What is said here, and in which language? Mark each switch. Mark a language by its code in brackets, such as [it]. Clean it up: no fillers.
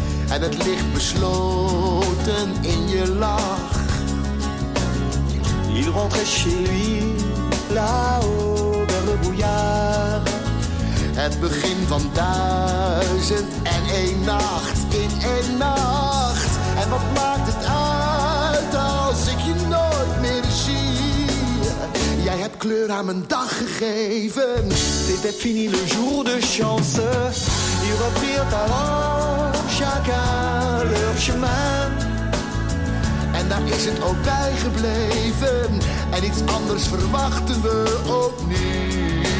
[nl] En het ligt besloten in je lach. [fr] Il rentre chez lui, là-haut vers le brouillard. [nl] Het begin van 1001 nacht, in één nacht. En wat maakt het uit als ik je nooit meer zie? Jij hebt kleur aan mijn dag gegeven. [fr] C'était fini le jour de chance. Ils reprirent alors chacun leur chemin. [nl] En daar is het ook bij gebleven. En iets anders verwachten we opnieuw.